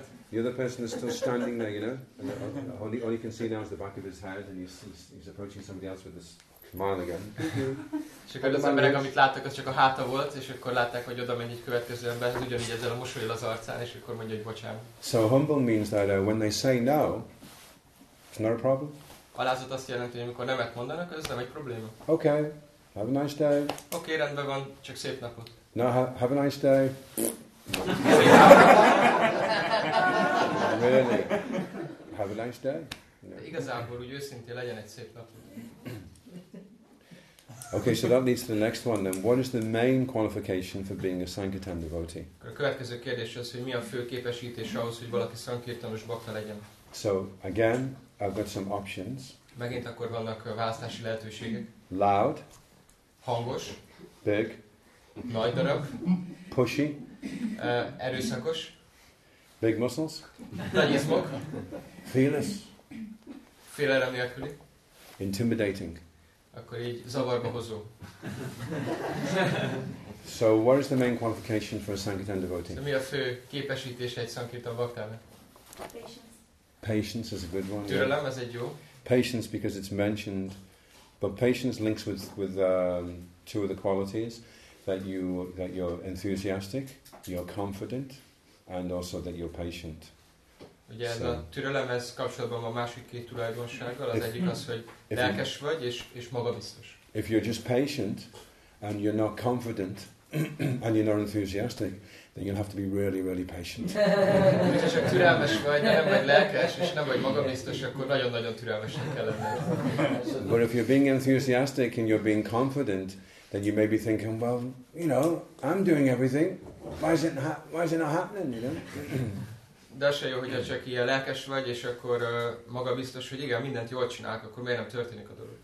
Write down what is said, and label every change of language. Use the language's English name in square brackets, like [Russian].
[English] The other person is still standing there, you know, and all you can see now is the back of his head, and he's approaching somebody else with this smile again. [Hungarian] És akkor az emberek, amit láttak, az csak a háta volt, és akkor látták, hogy oda megy egy következő ember, ugyanígy ezzel a mosolyal az arcán, és akkor mondja, hogy bocsánat. [English] So humble means that when they say no, it's not a problem. [Hungarian] Alázat azt jelenti, hogy amikor nemet mondanak, ez nem egy probléma. [English] Okay, have a nice day. [Hungarian] Okay, rendben van, csak szép napot. [English] No, have a nice day. Really? Have a nice day. [Hungarian] Igazából, úgy őszintén legyen egy szép nap. [English] Okay, so that leads to the next one. Then, what is the main qualification for being a Sankirtan devotee? [Hungarian] A következő kérdés az, hogy mi a fő képesítés ahhoz, hogy valaki Sankirtanos bakta legyen. [English] So again, I've got some options. [Hungarian] Megint akkor vannak választási lehetőségek. [English] Loud. [Hungarian] Hangos. [English] Big. [Hungarian] Nagy darab. [English] Pushy. [Hungarian] Erőszakos. [English] Big muscles. [Hungarian] Nagy izmok. [English] Fearless. [Hungarian] Félelem nélküli. [English] Intimidating. [Hungarian] Akkor így zavarba hozó. [English] So what is the main qualification for a Sankirtan devotee? [Hungarian] Mi a fő képesítés egy Sankirtan baktának? [English] Patience is a good one. [Hungarian] Türelem, ez egy jó. [English] Patience because it's mentioned, but patience links with two of the qualities. That you're enthusiastic, you're confident, and also that you're patient. [Hungarian] Ugye so, a türelem ez kapcsolatban a másik két tulajdonsággal, az egyik az, hogy lelkes vagy és magabiztos. [English] If you're just patient and you're not confident and you're not enthusiastic, then you'll have to be really, really patient. [Hungarian] Ha csak türelmes vagy, de nem vagy lelkes és nem vagy magabiztos, akkor nagyon-nagyon türelmesen kell lenni. [English] But if you're being enthusiastic and you're being confident, then you may be thinking, well, you know, I'm doing everything. Why is it not happening? You know. [Hungarian] De az se jó, hogyha csak ilyen lelkes vagy, és akkor magabiztos, hogy igen, mindent jól csinálok, akkor miért nem történik a dolog?